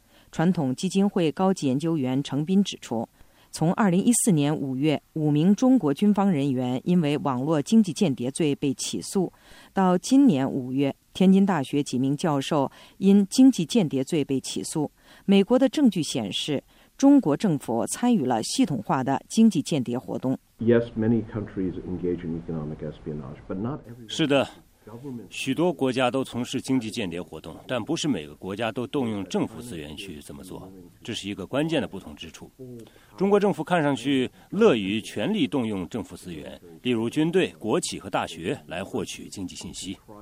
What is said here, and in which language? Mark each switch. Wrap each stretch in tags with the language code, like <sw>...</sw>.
<zh>传统基金会高级研究员程斌指出，从2014年5月5名中国军方人员因为网络经济间谍罪被起诉，到今年5月天津大学几名教授因经济间谍罪被起诉，美国的证据显示，中国政府参与了系统化的经济间谍活动。</zh> <en>Yes, many countries engage in economic espionage, but not everyone.</en> <zh>是的，许多国家都从事经济间谍活动，但不是每个国家都动用政府资源去这么做，这是一个关键的不同之处。中国政府看上去乐于全力动用政府资源，例如军队、国企和大学来获取经济信息。</zh>